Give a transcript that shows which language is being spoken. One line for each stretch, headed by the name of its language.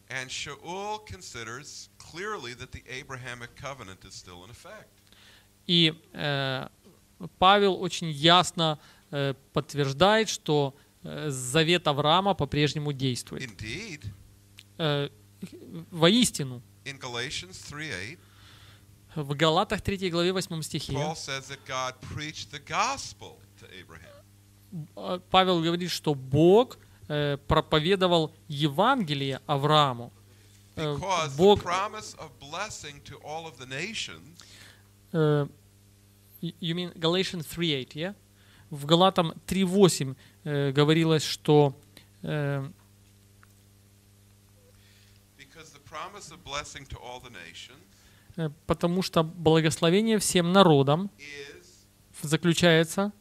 English: And Shaul considers clearly that the Abrahamic covenant is still in effect.
Russian: И Павел очень ясно подтверждает, что завет Авраама по-прежнему действует.
English: Indeed.
Russian: Воистину.
English: In Galatians 3:8,
Russian: в Галатах 3 главе 8 стихе
English: Paul says that God preached the gospel to Abraham.
Russian: Павел говорит, что Бог проповедовал Евангелие Аврааму.
English: Бог, the promise of blessing to all of the nations. You mean Galatians 3:8, yeah?
Russian: В Галатам 3:8 говорилось, что
English: because the promise of blessing to all the nations,
Russian: потому что благословение всем народам заключается